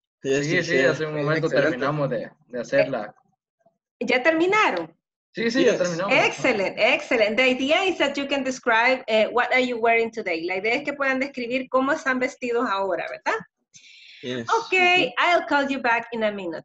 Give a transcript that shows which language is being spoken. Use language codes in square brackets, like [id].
[es] Sí, sí, hace un momento terminamos de hacerla. ¿Ya terminaron? Sí, sí, ya terminamos. [en] Excellent, excellent. The idea is that you can describe what are you wearing today. [es] La idea es que puedan describir cómo están vestidos ahora, ¿verdad? [en] Yes. Okay, I'll call you back in a minute.